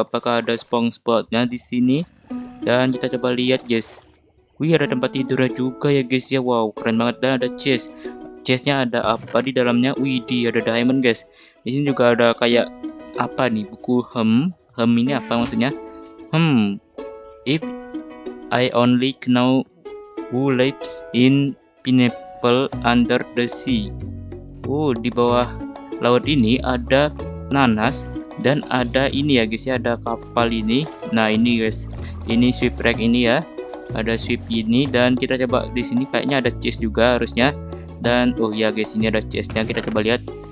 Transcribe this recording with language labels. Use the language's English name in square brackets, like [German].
[Indonesian] Apakah ada SpongeBob-nya di sini? Dan kita coba lihat guys. Wih, ada tempat tidurnya juga ya guys ya. Wow, keren banget. Dan ada chest. Chestnya ada apa di dalamnya? Wih, di ada diamond guys. Ini juga ada kayak apa nih, buku hem ini apa maksudnya? [English] If I only know who lives in pineapple under the sea. [Indonesian] Oh, di bawah laut ini ada nanas dan ada ini ya guys ya, ada kapal ini. Nah, ini guys, ini shipwreck ini ya. Ada ship ini, dan kita coba di sini kayaknya ada chest juga harusnya. Dan oh ya guys, ini ada chestnya, kita coba lihat.